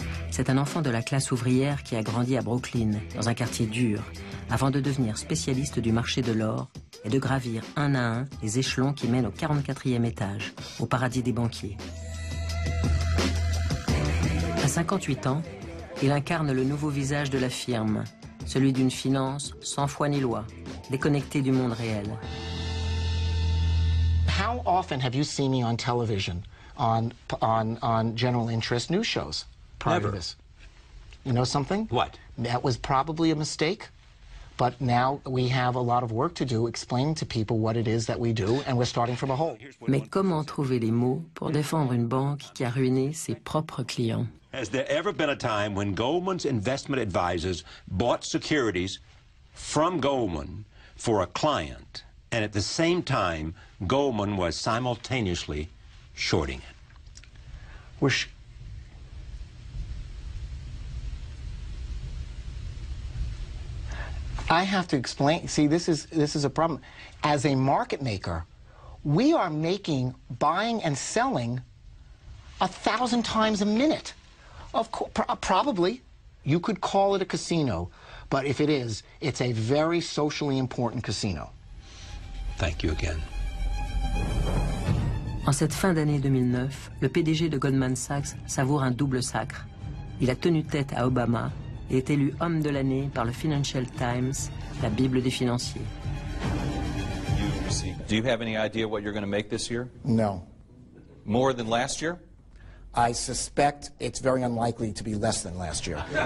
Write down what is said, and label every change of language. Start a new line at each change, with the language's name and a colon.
French: C'est un enfant de la classe ouvrière qui a grandi à Brooklyn, dans un quartier dur, avant de devenir spécialiste du marché de l'or et de gravir un à un les échelons qui mènent au 44e étage, au paradis des banquiers. À 58 ans, il incarne le nouveau visage de la firme, celui d'une finance sans foi ni loi, déconnectée du monde réel.
English: How often have you seen me on television, on general interest news shows? Never. You know something? What? That was probably a mistake. But now we have a lot of work to do explaining to people what it is that we do, and we're starting from a hole.
French: Mais comment trouver les mots pour défendre une banque qui a ruiné ses propres clients?
English: Has there ever been a time when Goldman's investment advisors bought securities from Goldman for a client, and at the same time Goldman was simultaneously shorting it? I have to explain. See, this is a problem. As a market maker, we are making buying and selling 1,000 times a minute. Of course, probably you could call it a casino, but if it is, it's a very socially important casino. Thank you again.
French: En cette fin d'année 2009, le PDG de Goldman Sachs savoure un double sacre. Il a tenu tête à Obama. Il est élu homme de l'année par le Financial Times, la Bible des financiers.
English: Do you have any idea what you're going to make this year? No. More than last year? I suspect it's very unlikely to be less than last year.